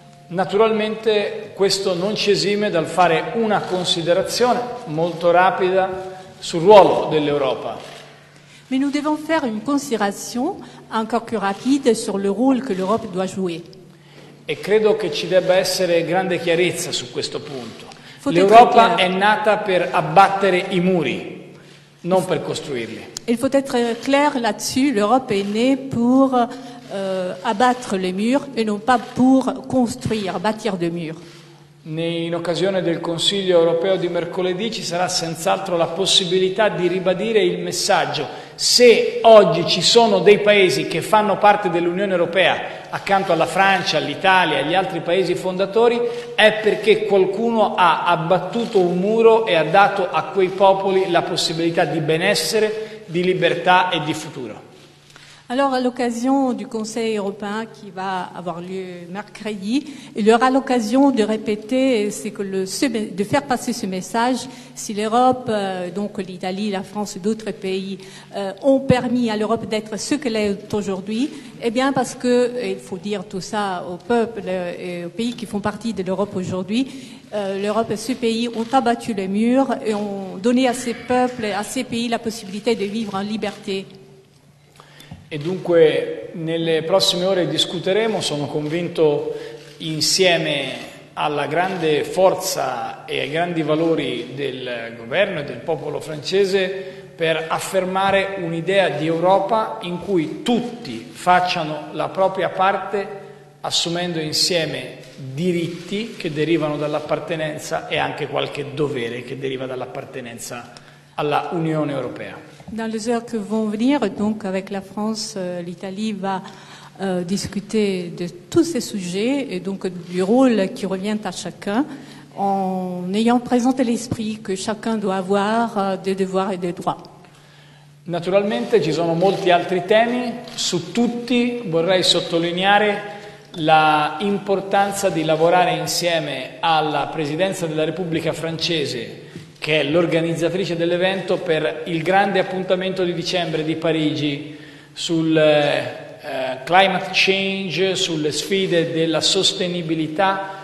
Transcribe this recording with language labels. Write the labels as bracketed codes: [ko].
[fr] Naturalement, [it] questo non ci esime dal fare una considerazione molto rapida sul ruolo dell'Europa. [fr] Mais nous devons faire une considération encore plus rapide sur le rôle que l'Europe doit jouer. [it] E credo che ci debba essere grande chiarezza su questo punto. L'Europa è nata per abbattere i muri, non per costruirli. [fr] Il faut être clair là-dessus, [it] l'Europa è [fr] née pour [it] abbattre [fr] les murs e non pas pour construire, bâtir des murs. [it] In occasione del Consiglio europeo di mercoledì ci sarà senz'altro la possibilità di ribadire il messaggio. Se oggi ci sono dei paesi che fanno parte dell'Unione europea, accanto alla Francia, all'Italia, agli altri paesi fondatori, è perché qualcuno ha abbattuto un muro e ha dato a quei popoli la possibilità di benessere, di libertà e di futuro. [fr] Alors, à l'occasion du Conseil européen qui va avoir lieu mercredi, il y aura l'occasion de répéter, de faire passer ce message. Si l'Europe, donc l'Italie, la France et d'autres pays ont permis à l'Europe d'être ce qu'elle est aujourd'hui, eh bien parce que, il faut dire tout ça aux peuples et aux pays qui font partie de l'Europe aujourd'hui, l'Europe et ce pays ont abattu les murs et ont donné à ces peuples et à ces pays la possibilité de vivre en liberté. [it] E dunque nelle prossime ore discuteremo, sono convinto, insieme alla grande forza e ai grandi valori del governo e del popolo francese per affermare un'idea di Europa in cui tutti facciano la propria parte assumendo insieme diritti che derivano dall'appartenenza e anche qualche dovere che deriva dall'appartenenza alla Unione Europea. [fr] Dans les heures qui vont venir, donc avec la France, l'Italie va discuter de tous ces sujets et donc du rôle qui revient à chacun, en ayant présenté l'esprit que chacun doit avoir des devoirs et des droits. [it] Naturalmente ci sono molti altri temi, su tutti vorrei sottolineare la importanza di lavorare insieme alla Presidenza della Repubblica Francese, che è l'organizzatrice dell'evento, per il grande appuntamento di dicembre di Parigi sul climate change, sulle sfide della sostenibilità.